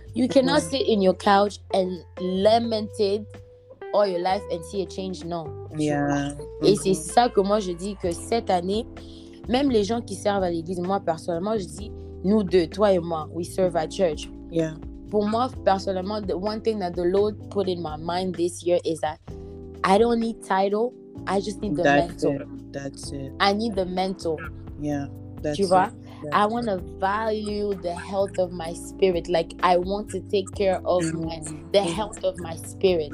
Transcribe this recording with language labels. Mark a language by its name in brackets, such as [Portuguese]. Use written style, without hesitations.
[English] You cannot sit in your couch and lament it all your life and see a change. [French] Non. Et c'est ça que moi je dis, que cette année, même les gens qui servent à l'église, moi personnellement, je dis, nous deux, toi et moi, [English] we serve at church. [French] Pour moi personnellement, [English] the one thing that the Lord put in my mind this year is that I don't need title, I just need the mental. That's it. I need the mental. Yeah. [French] Tu vois? [English] I want to value the health of my spirit. Like, I want to take care of the health of my spirit.